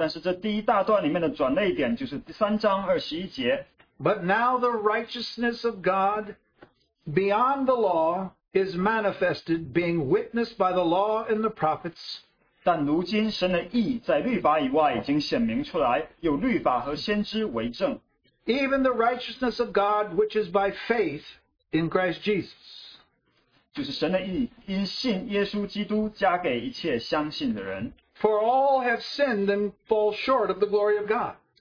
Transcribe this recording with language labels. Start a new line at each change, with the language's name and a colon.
Chinese: 但是这第一大段里面的转捩点就是3章21节。
English: But now the righteousness of God beyond the law is manifested, being witnessed by the law and the prophets.
Chinese: 但如今神的义在律法以外已经显明出来，有律法和先知为证。
English: Even the righteousness of God, which is by faith in Christ Jesus.
Chinese: 就是神的义，因信耶稣基督加给一切相信的人。
English: For all have sinned and fall short of the glory of God.